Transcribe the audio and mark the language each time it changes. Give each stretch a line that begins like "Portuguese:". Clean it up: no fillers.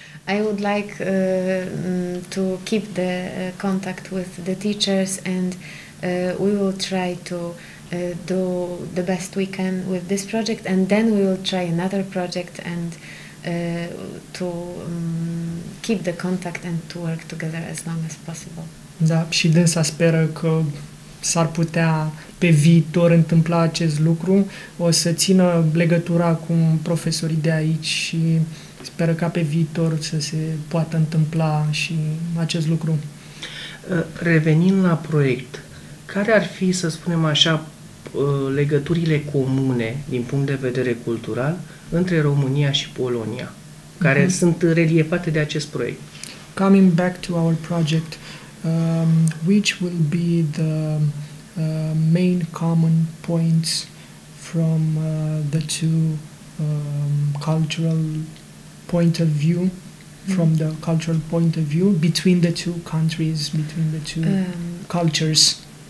English: I would like to keep the contact with the teachers, and we will try to do the best we can with this project, and then we will try another project and to keep the contact and to work together as long as possible.
Romanian: Da, și dânsa speră că s-ar putea pe viitor întâmpla acest lucru. O să țină legătura cu profesorii de aici și speră ca pe viitor să se poată întâmpla și acest lucru. Revenind la proiect, care ar fi, să spunem așa, legăturile comune din punct de vedere cultural între România și Polonia, care sunt reliefate de acest proiect?
English: Coming back to our project, which will be the main common points from the two cultural point of view, from the cultural point of view between the two countries, between the two cultures?